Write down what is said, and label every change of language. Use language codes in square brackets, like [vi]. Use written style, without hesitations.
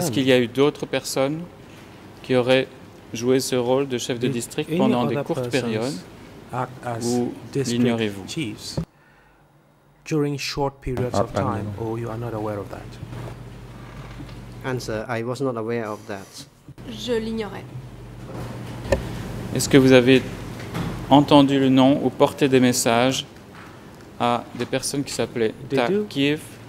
[fr] est-ce qu'il y a eu d'autres personnes qui auraient joué ce rôle de chef de district pendant des courtes périodes ou l'ignorez-vous? [en] During short periods of time, or you are not aware of that? Answer, I was not aware of that. [fr] Je l'ignorais. Est-ce que vous avez entendu le nom ou porté des messages à des personnes qui s'appelaient Takiv?